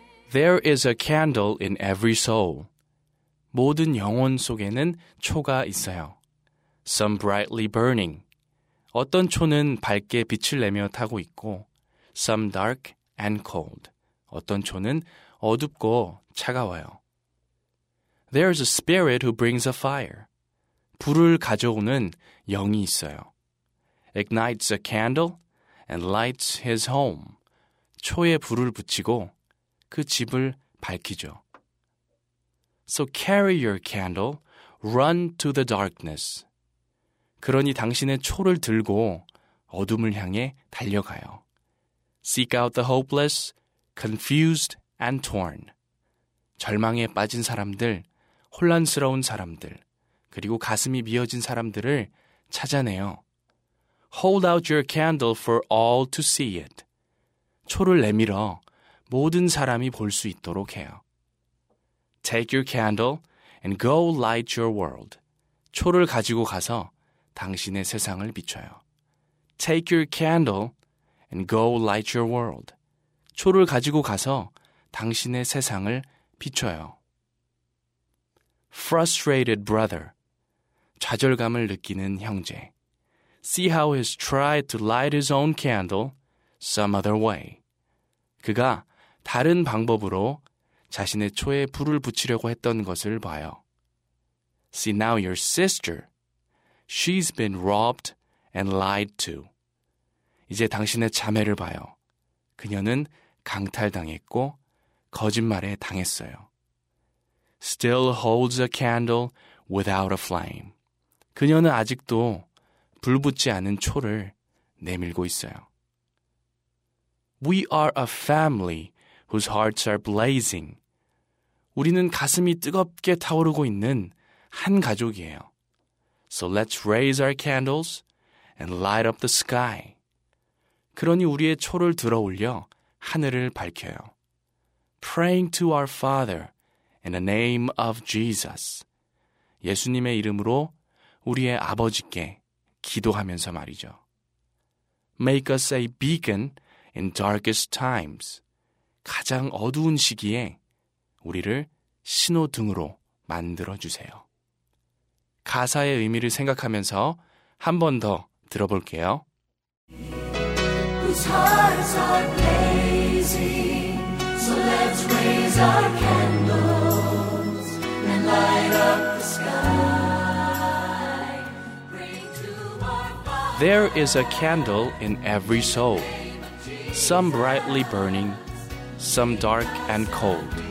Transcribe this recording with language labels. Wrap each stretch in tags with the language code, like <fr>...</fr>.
<en>There is a candle in every soul.</en> <ko>모든 영혼 속에는 초가 있어요.</ko> <en>Some brightly burning.</en> <ko>어떤 초는 밝게 빛을 내며 타고 있고,</ko> <en>Some dark and cold.</en> <ko>어떤 초는 어둡고 차가워요.</ko> <en>There is a spirit who brings a fire.</en> <ko>불을 가져오는 영이 있어요.</ko> <en>Ignites a candle and lights his home.</en> <ko>초에 불을 붙이고, 그 집을 밝히죠.</ko> <en>So carry your candle, run to the darkness.</en> <ko>그러니 당신의 초를 들고 어둠을 향해 달려가요.</ko> <en>Seek out the hopeless, confused and torn.</en> <ko>절망에 빠진 사람들, 혼란스러운 사람들, 그리고 가슴이 미어진 사람들을 찾아내요.</ko> <en>Hold out your candle for all to see it.</en> <ko>초를 내밀어 모든 사람이 볼 수 있도록 해요.</ko> <en>Take your candle and go light your world.</en> <ko>초를 가지고 가서 당신의 세상을 비춰요.</ko> <en>Take your candle and go light your world.</en> <ko>초를 가지고 가서 당신의 세상을 비춰요.</ko> <en>Frustrated brother.</en> <ko>좌절감을 느끼는 형제.</ko> <en>See how he's tried to light his own candle some other way.</en> <ko>그가 다른 방법으로 자신의 초에 불을 붙이려고 했던 것을 봐요.</ko> <en>See now your sister. She's been robbed and lied to.</en> <ko>이제 당신의 자매를 봐요. 그녀는 강탈당했고 거짓말에 당했어요.</ko> <en>Still holds a candle without a flame.</en> <ko>그녀는 아직도 불 붙지 않은 초를 내밀고 있어요.</ko> <en>We are a family whose hearts are blazing.</en> <ko>우리는 가슴이 뜨겁게 타오르고 있는 한 가족이에요.</ko> <en>So let's raise our candles and light up the sky.</en> <ko>그러니 우리의 초를 들어올려 하늘을 밝혀요.</ko> <en>Praying to our Father in the name of Jesus.</en> <ko>예수님의 이름으로 우리의 아버지께 기도하면서 말이죠.</ko> <en>Make us a beacon in darkest times.</en> <ko>가장 어두운 시기에 우리를 신호등으로 만들어주세요. 가사의 의미를 생각하면서 한 번 더 들어볼게요.</ko> <en>Whose hearts are blazing, so let's raise our candles and light up the sky. Bring to our There is a candle in every soul, some brightly burning, some dark and cold.</en>